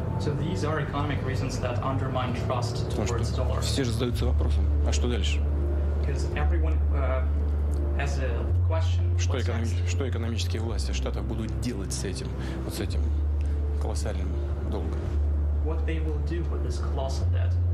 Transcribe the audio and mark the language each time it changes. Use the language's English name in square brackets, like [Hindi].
[English] So these are economic reasons that undermine trust towards dollar. [Russian] Все же задаются вопросом, а что дальше? [English] Because everyone has a question. [Russian] Что экономические власти штатов будут делать с этим, вот с этим колоссальным долгом? [English] What they will do with this colossal debt?